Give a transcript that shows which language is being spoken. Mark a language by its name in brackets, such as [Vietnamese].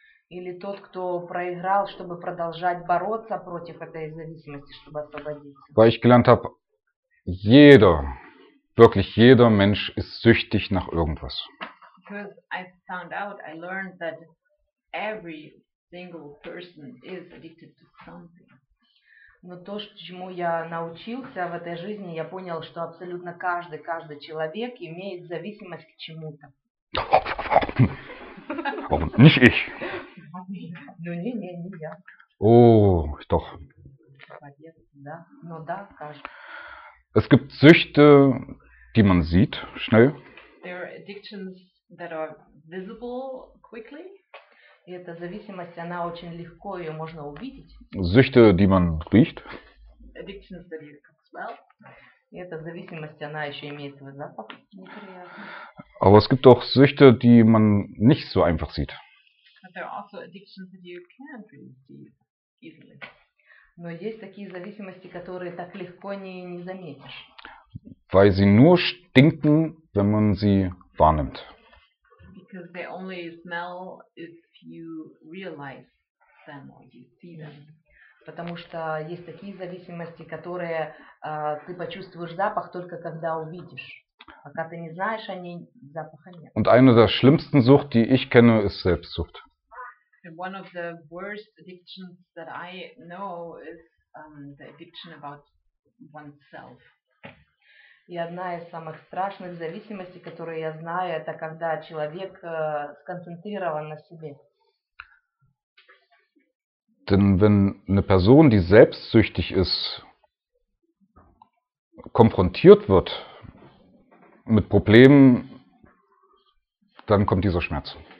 [Russian] Или тот, кто проиграл, чтобы продолжать бороться против этой зависимости, чтобы освободиться. [German] Weil ich gelernt habe, jeder, wirklich jeder Mensch ist süchtig nach irgendwas. [English] Because I found out, I learned that every single person is addicted to something. [Russian] Но то, чему я научился в этой жизни, я понял, что абсолютно каждый человек имеет зависимость к чему-то. [German] Nicht ich. [Russian] Не я. [German] О, doch. [Russian] Да, кажется. [German] Es gibt Süchte, die man sieht schnell. [English] There are addictions that are visible quickly. [Russian] И эта зависимость, она очень легко, ее можно увидеть. [German] Süchte, die man riecht. [English] Addictions that you can smell. [Russian] И эта зависимость, она еще имеет свой запах неприятный. [German] Aber es gibt auch Süchte, die man nicht so einfach sieht. [English] But there are also addictions that you can't really see easily. [Russian] Но есть такие зависимости, которые так легко не заметишь. [German] Weil sie nur stinken, wenn man sie wahrnimmt. [English] Because they only smell if you realize them or you see them. [Russian] Потому что есть такие зависимости, которые ты почувствуешь запах только когда увидишь. Пока ты не знаешь о ней, запаха нет. [German] Und eine der schlimmsten Sucht, die ich kenne, ist Selbstsucht. [English] And one of the worst addictions that I know is the addiction about oneself. [Russian] И одна из самых страшных зависимостей, которые я знаю, это когда человек сконцентрирован на себе. [German] Denn wenn eine Person, die selbstsüchtig ist, konfrontiert wird mit Problemen, dann kommt dieser Schmerz.